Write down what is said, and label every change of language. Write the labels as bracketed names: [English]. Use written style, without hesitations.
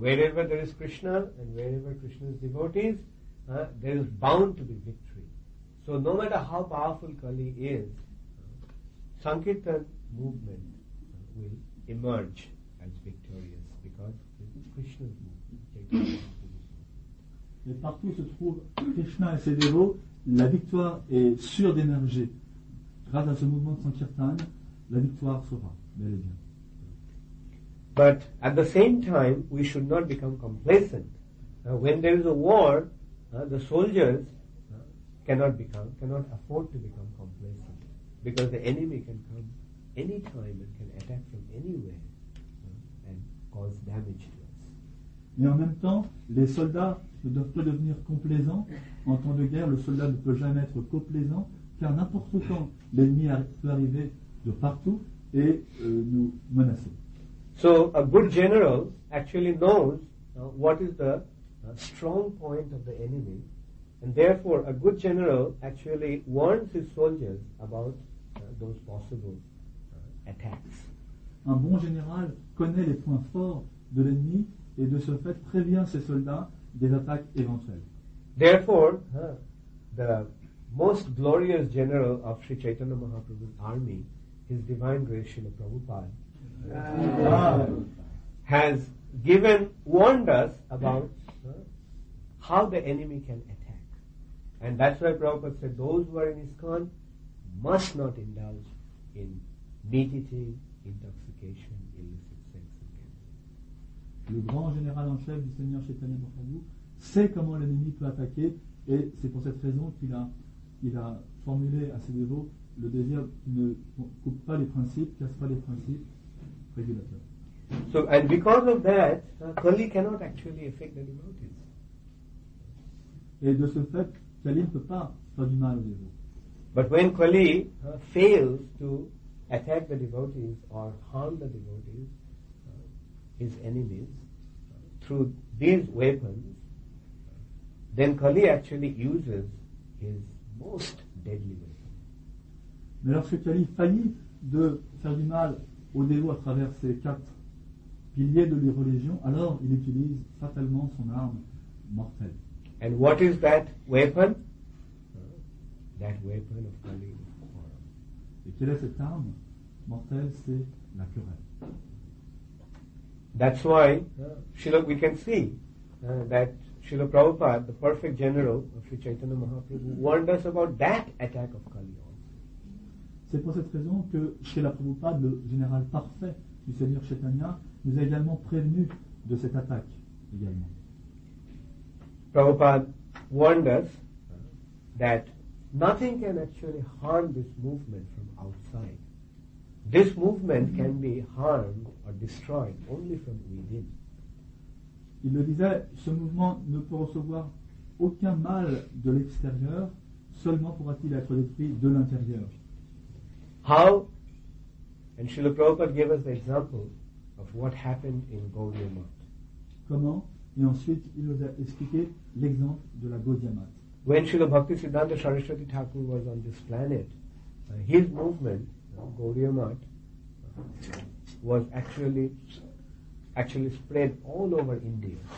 [English] Wherever there is Krishna and wherever Krishna's devotees, there is bound to be victory. So no matter how powerful Kali is, Sankirtan movement will emerge as victorious because Krishna's movement. [French] Mais partout où se trouve Krishna et ses dévots, la victoire est sûre d'émerger. Grâce à ce mouvement de Sankirtan, la victoire sera bel et bien. [English] But at the same time, we should not become complacent. When there is a war, the soldiers cannot afford to become complacent because the enemy can come any time and can attack from anywhere and cause damage to us. [French] Mais en même temps, les soldats ne doivent pas devenir complaisants. En temps de guerre, le soldat ne peut jamais être complaisant, car n'importe quand, l'ennemi peut arriver de partout et nous menacer. [English] So, a good general actually knows what is the strong point of the enemy, and therefore, a good general actually warns his soldiers about those possible attacks. [French] Un bon général connaît les points forts de l'ennemi et de ce fait prévient ses soldats des attaques éventuelles. [English] Therefore, the most glorious general of Sri Chaitanya Mahaprabhu's army, His Divine Grace Srila Prabhupada, has warned us about how the enemy can attack. And that's why Prabhupada said, those who are in ISKCON must not indulge in meat-eating, intoxication, illicit sex. [French] Le grand général en chef du Seigneur Chaitanya Mahaprabhu sait comment l'ennemi peut attaquer et c'est pour cette raison qu'il a, formulé à ses dévots le désir qu'il ne coupe pas les principes, casse pas les principes régulateurs. [English] So, and because of that, Kali cannot actually affect the devotees. [French] Et de ce fait, Kali ne peut pas faire du mal aux dévots. [English] But when Kali fails to attack the devotees or harm the devotees, his enemies, through these weapons, then Kali actually uses his most deadly weapon. [French] Mais lorsque Kali faillit de faire du mal aux dévots à travers ces quatre piliers de la religion, alors il utilise fatalement son arme mortelle. [English] And what is that weapon? that weapon of Kali is quarrel. [French] Et quelle est cette arme mortelle? C'est la querelle. [English] That's why Srila, we can see that Srila Prabhupada, the perfect general of Sri Chaitanya Mahaprabhu, warned us about that attack of Kali. [French] C'est pour cette raison que Srila Prabhupada, le général parfait du Seigneur Chaitanya, nous a également prévenu de cette attaque également. [English] Prabhupada warned us that nothing can actually harm this movement from outside. This movement can be harmed or destroyed only from within. [French] Il le disait, ce mouvement ne peut recevoir aucun mal de l'extérieur, seulement pourra-t-il être détruit de l'intérieur. [English] How? And Srila Prabhupada gave us the example of what happened in Gaudiya Math. [French] Comment? Et ensuite, il nous a expliqué l'exemple de la Gaudiya Math. [English] When Srila Bhaktisiddhanta Saraswati Thakur was on this planet, his movement, Gaudiya Math, was actually spread all over India.